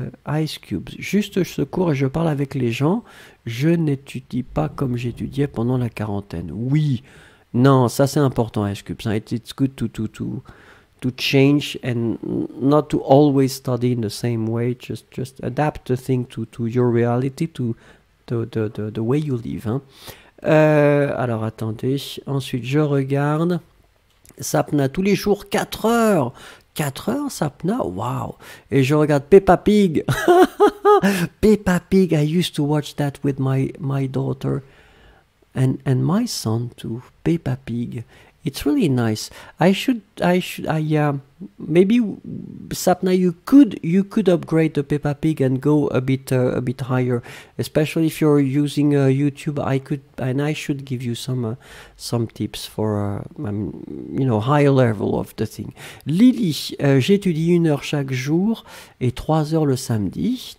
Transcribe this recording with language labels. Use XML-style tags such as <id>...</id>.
<fr>Ice Cubes, juste ce cours et je parle avec les gens, je n'étudie pas comme j'étudiais pendant la quarantaine. Oui, non, ça c'est important,</fr> <en>Ice Cubes, it's good to change and not to always study in the same way, just adapt the thing to your reality, to the way you live, hein.</en> <fr>Alors attendez, ensuite je regarde Sapna tous les jours, 4 heures. 4 heures, Sapna, wow. Et je regarde Peppa Pig.</fr> <en>Peppa Pig, I used to watch that with my daughter and my son too. Peppa Pig, it's really nice. Maybe Sapna, you could upgrade the Peppa Pig and go a bit higher, especially if you're using YouTube. I should give you some tips for higher level of the thing.</en> <fr>Lily, j'étudie 1 heure chaque jour et 3 heures le samedi.</fr>